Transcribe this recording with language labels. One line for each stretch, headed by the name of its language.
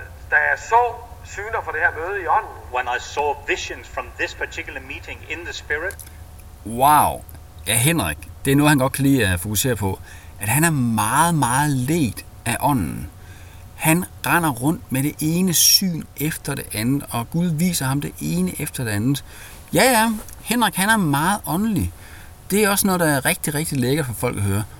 Danish: Da jeg så syner for det her møde i ånden.
English: When I saw visions from this particular meeting in the spirit. Wow.
Danish: Ja, Henrik, det er noget, han godt kan lide at fokusere på, at han er meget, meget ledt af ånden. Han render rundt med det ene syn efter det andet, og Gud viser ham det ene efter det andet. Ja, ja, Henrik, han er meget åndelig. Det er også noget, der er rigtig, rigtig lækkert for folk at høre.